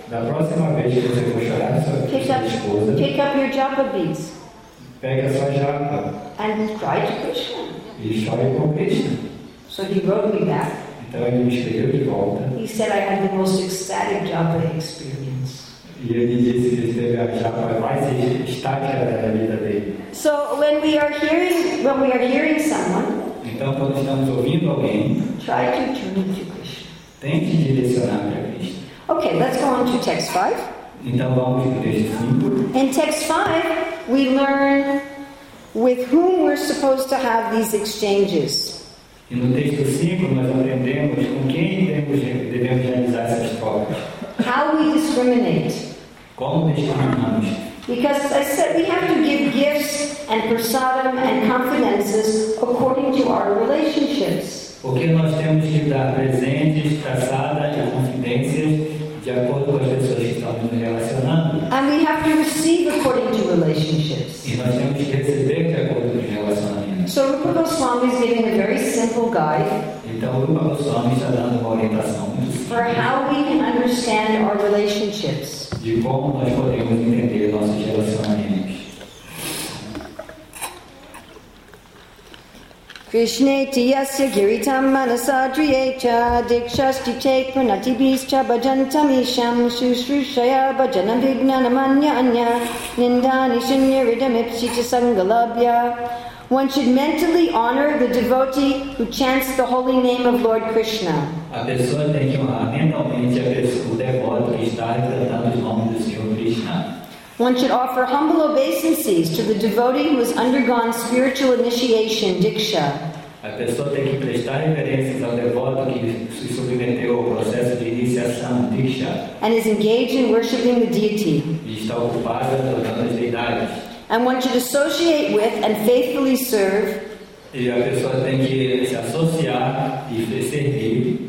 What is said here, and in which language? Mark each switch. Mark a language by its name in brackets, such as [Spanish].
[Portuguese] Da próxima vez que você for chorar sobre sua esposa. [English] Pick up your japa beads. [Portuguese] Pega sua japa. [English] And cry to Krishna. [Portuguese] E chore por Krishna. [English] So he wrote me back. [Portuguese] Então ele me escreveu de volta. [English] He said I had the most ecstatic japa experience. [Portuguese] E ele disse que teve a japa mais estática da vida dele. [English] So when we are hearing someone, [Portuguese] então quando estamos ouvindo alguém, [English] try to turn to Krishna. [Portuguese] Tente direcionar para Krishna. [English] Okay, let's go on to text 5. [Portuguese] Então vamos para o texto 5. [English] In text 5, we learn with whom we're supposed to have these exchanges. [Portuguese] E no texto 5 nós aprendemos com quem devemos realizar essas trocas. [English] How we discriminate. [Portuguese] Como discriminamos? [English] Because as I said, we have to give gifts and prasadam and confidences according to our relationships. [Portuguese] Porque nós temos que dar presentes, prasada e confidências de acordo com as pessoas que estamos nos relacionando. [English] And we have to receive according to relationships. [Portuguese] E nós temos que receber de acordo com os relacionamentos. [English] So Rupa Goswami is giving a very simple guide. [Portuguese] Então Rupa Goswami está dando uma orientação muito simples. [English] For how we can understand our relationships. [Portuguese] De como nós podemos entender nossos relacionamentos. [Sanskrit] Krishne tiyasya giritam manasa driyecha dikshasti chek pranati bhischa bhajantam isham shushrushaya bhajanam vignanam anya anya nindani shunyaridam ipshita sangalabhya. [English] One should mentally honor the devotee who chants the holy name of Lord Krishna. [Portuguese] A pessoa tem que honrar mentalmente o devoto que está cantando os nomes do Senhor Krishna. [English] One should offer humble obeisances to the devotee who has undergone spiritual initiation, diksha. [Portuguese] A pessoa tem que prestar reverências ao devoto que se submeteu ao processo de iniciação, diksha. [English] And is engaged in worshiping the deity. [Portuguese] E está ocupado adorando as deidades. [English] And one should associate with and faithfully serve. [Portuguese] E a pessoa tem que se associar e servir.